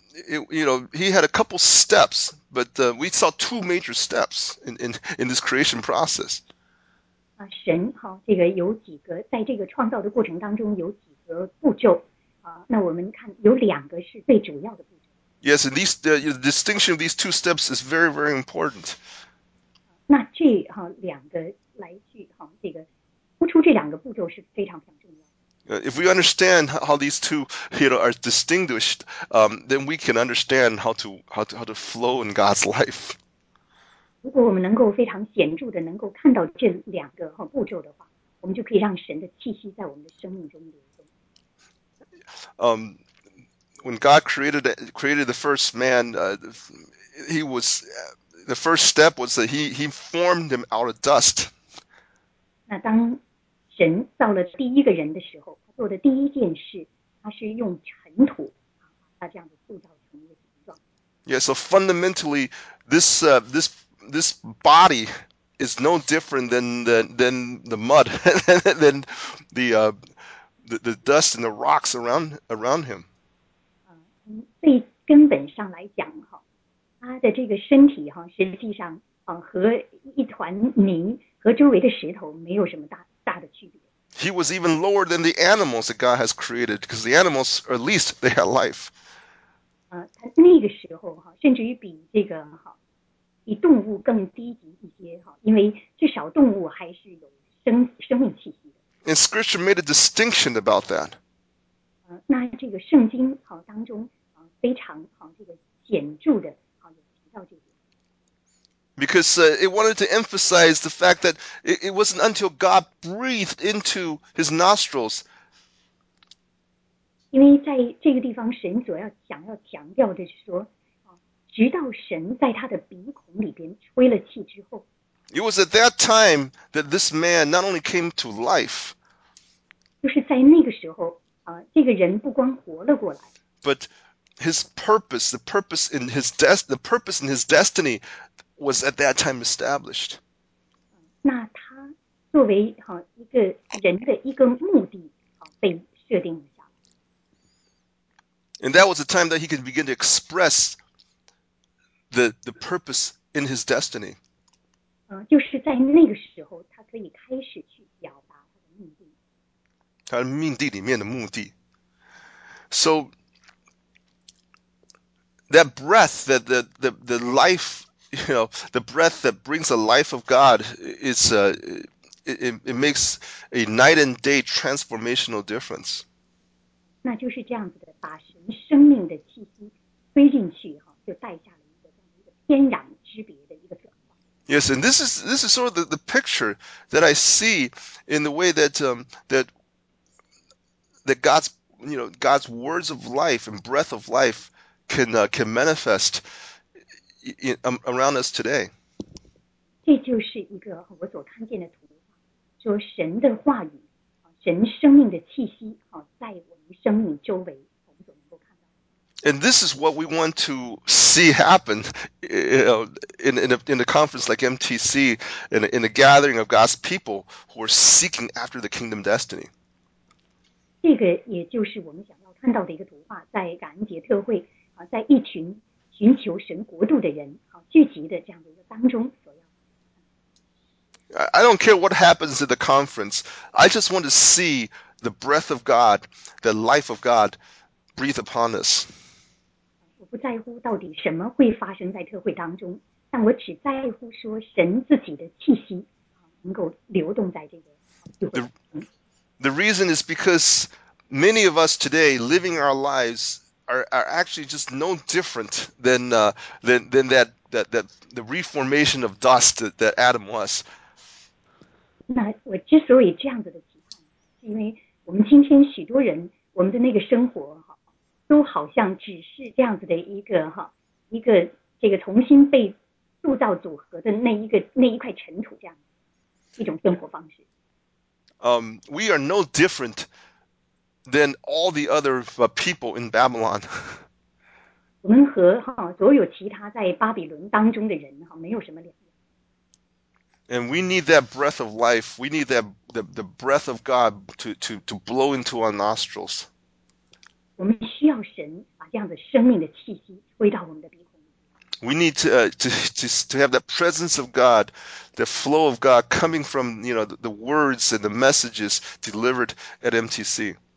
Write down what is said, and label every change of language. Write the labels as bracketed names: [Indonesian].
[English] And he had a couple steps, but we saw two major steps in this creation process. [Chinese] 神这个有几个在这个创造的过程当中有几个步骤那我们看有两个是最主要的步骤。 [English] Yes, and the distinction of these two steps is very, very important. [Chinese] 那这两个来去这个。 [English] If we understand how these two are distinguished, then we can understand how to flow in God's life. [Chinese] 如果我们能够非常显著的能够看到这两个步骤的话，我们就可以让神的气息在我们的生命中流动。 [English] When God created the first man, he was the first step was that he formed him out of dust. [Chinese] 那当神造了第一个人的时候，他做的第一件事，他是用尘土他这样子塑造成一个形状。 [English] Yeah, so fundamentally, this body is no different than the mud, than the dust and the rocks around him. [Chinese] 最根本上来讲他的这个身体实际上和一团泥和周围的石头没有什么大的区别。 [English] He was even lower than the animals that God has created, because the animals, or at least, they had life. [Chinese] 那个时候甚至于比这个比动物更低级一些因为至少动物还是有生命气息的。 [English] And Scripture made a distinction about that. [Chinese] 那这个圣经当中非常这个显著的有提到这个。 [English] Because it wanted to emphasize the fact that it wasn't until God breathed into his nostrils. [Chinese] 因为在这个地方，神主要想要强调的是说，直到神在他的鼻孔里边吹了气之后。 [English] It was at that time that this man not only came to life. [Chinese] 就是在那个时候，这个人不光活了过来。 [English] But his purpose, the purpose in his destiny. Was at that time established. [Chinese] 那他作为一个人的一个目的被设定了下来。 [English] And that was the time that he could begin to express the purpose in his destiny. [Chinese] 就是在那个时候，他可以开始去表达他的目的。他命定里面的目的。 [English] So that breath, that the life, you know, the breath that brings the life of God, it's it makes a night and day transformational difference. [Chinese] 那就是这样子的，把神生命的气息吹进去哈，就带下了一个天壤之别的一个转化。 [English] Yes, and this is sort of the picture that I see in the way that that God's, you know, God's words of life and breath of life can manifest around us today. [Chinese] 这就是一个我所看见的图画，说神的话语，神生命的气息，在我们生命周围，我们所能够看到。 [English] And this is what we want to see happen, you know, in a conference like MTC, in a gathering of God's people who are seeking after the kingdom destiny. [Chinese] 这个也就是我们想要看到的一个图画，在感恩节特会。在一群寻求神国度的人聚集的这样的一个当中所要。 [English] I don't care what happens at the conference. I just want to see the breath of God, the life of God, breathe upon us. [Chinese] 我不在乎到底什么会发生在特会当中，但我只在乎说神自己的气息能够流动在这个。 [English] The reason is because many of us today living our lives. Are actually just no different than that the reformation of dust that Adam was. [Chinese] 那我之所以这样子的提问，是因为我们今天许多人，我们的那个生活哈，都好像只是这样子的一个哈，一个这个重新被塑造组合的那一个那一块尘土这样一种生活方式。 [English] We are no different. Than all the other people in Babylon. [Chinese] 我们和所有其他在巴比伦当中的人没有什么两样。 [English] And we need that breath of life. We need that the breath of God to blow into our nostrils. [Chinese] 我们需要神把这样的生命的气息吹到我们的鼻孔里。 [English] We need to have that presence of God, the flow of God coming from, you know, the words and the messages delivered at MTC.